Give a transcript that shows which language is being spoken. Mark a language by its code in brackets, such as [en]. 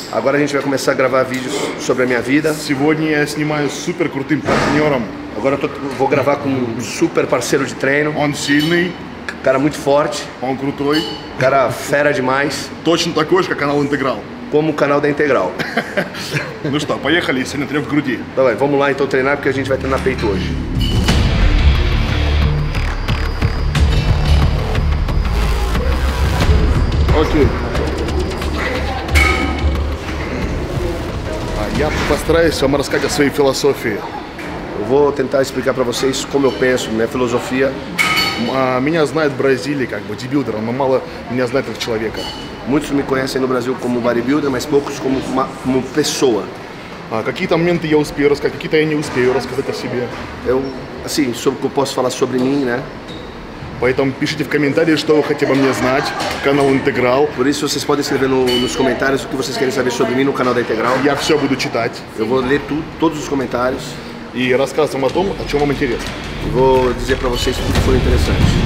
[pt] Agora a gente vai começar a gravar vídeos sobre a minha vida. [ru] Сегодня я снимаю супер крутым партнером. [pt] Agora eu vou gravar com um super parceiro de treino. [ru] Он сильный. [pt] Cara muito forte. [ru] Он крутой. [pt] Cara fera demais. [ru] Точно такой же, как канал Integral. [pt] Como o canal da Integral. [ru] Ну что, поехали, сегодня тренируем в груди. Давай, [pt] vamos lá então treinar, porque a gente vai treinar peito hoje. Ok. [ru] Я постараюсь вам рассказать о своей философии. [pt] Eu vou tentar explicar para vocês como eu penso, minha filosofia. [ru] Меня знают в Бразилии как бодибилдер, но мало меня знают как человека. [pt] Muitos me conhecem no Brasil como bodybuilder, mas poucos como pessoa. [ru] Какие-то моменты я успею рассказать, какие-то я не успею рассказать о себе. [pt] Eu, assim, sobre, eu posso falar sobre mim, né? [ru] Поэтому пишите в комментариях, что вы хотите обо мне знать, канал Integral. [pt] Por isso vocês podem escrever nos comentários o que vocês querem saber sobre mim no canal da Integral. [ru] Я все буду читать. [pt] Eu vou ler todos os comentários. [ru] И рассказывать вам о том, о чем вам интересно. [pt] Eu vou dizer para vocês o que foi interessante.